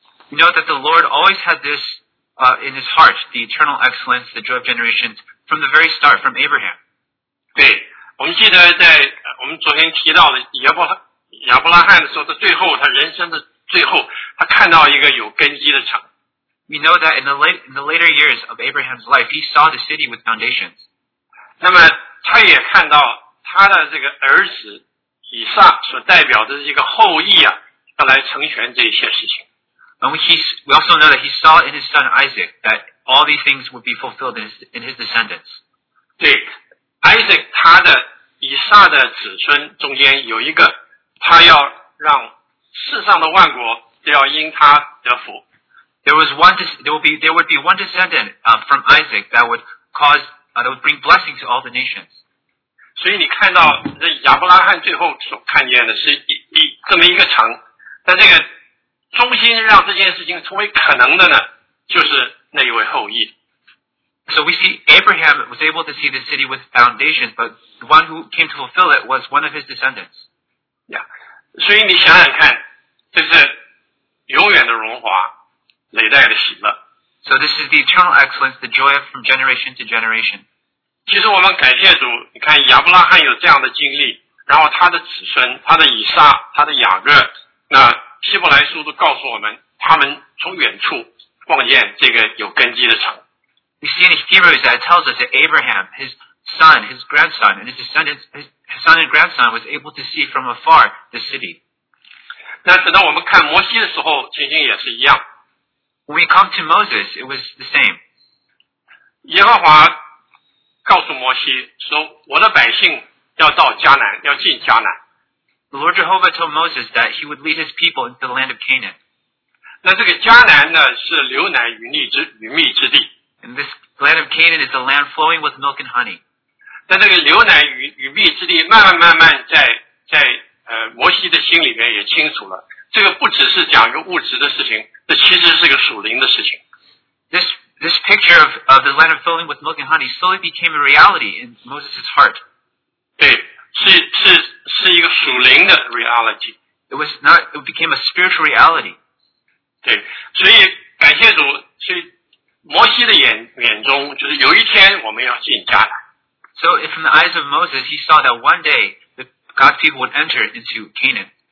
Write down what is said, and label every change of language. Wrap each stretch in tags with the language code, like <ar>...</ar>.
<en>You know that the Lord always had this in his heart, the eternal excellence, the joy of generations from the very start, from Abraham.</en> <zh>对，我们记得在我们昨天提到的亚伯拉罕的时候，他最后他人生的最后，他看到一个有根基的城。</zh> <en>We know that in the later years of Abraham's life, he saw the city with foundations.</en> <zh>那么他也看到他的这个儿子以撒所代表的一个后裔啊，要来成全这些事情。</zh> <en>And we also know that he saw in his son Isaac that all these things would be fulfilled in his descendants.</en> <zh>对 ，Isaac 他的以撒的子孙中间有一个，他要让世上的万国都要因他得福。</zh> <en>There would be one descendant from Isaac that would cause that would bring blessing to all the nations.</en> <zh>所以你看到这亚伯拉罕最后所看见的是一这么一个城，但这个。中心让这件事情成为可能的呢，就是那一位后裔。</zh> <en>So we see Abraham was able to see the city with foundations, but the one who came to fulfill it was one of his descendants. Yeah.</en> <zh>所以你想想看，这是永远的荣华，累代的喜乐。</zh> <en>So this is the eternal excellence, the joy from generation to generation.</en> <zh>其实我们感谢主，你看亚伯拉罕有这样的经历，然后他的子孙，他的以撒，他的雅各，那。希伯来书都告诉我们，他们从远处望见这个有根基的城。</zh> <en>We see in Hebrews that it tells us that Abraham, his son, his grandson, and his descendants, his son and grandson was able to see from afar the city.</en> <zh>那等到我们看摩西的时候，情形也是一样。</zh> <en>When we come to Moses, it was the same.</en> <zh>耶和华告诉摩西说：“我的百姓要到迦南，要进迦南。”</zh> <en>The Lord Jehovah told Moses that he would lead his people into the land of Canaan.</en> <zh>那这个迦南呢是牛奶与蜜之地。</zh> <en>And this land of Canaan is a land flowing with milk and honey.</en> <zh>那这个牛奶与蜜之地慢慢慢慢在摩西的心里面也清楚了。这个不只是讲一个物质的事情，这其实是个属灵的事情。</zh> <en>This picture of the land of flowing with milk and honey slowly became a reality in Moses' heart.</en> <zh>对，是一个属灵的 reality.</zh> <en>It became a spiritual reality.</en> <zh>对，所以感谢主，所以摩西的眼中，就是有一天我们要进迦南。</zh> <en>So from the eyes of Moses, he saw that one day God's people would enter into Canaan.</en>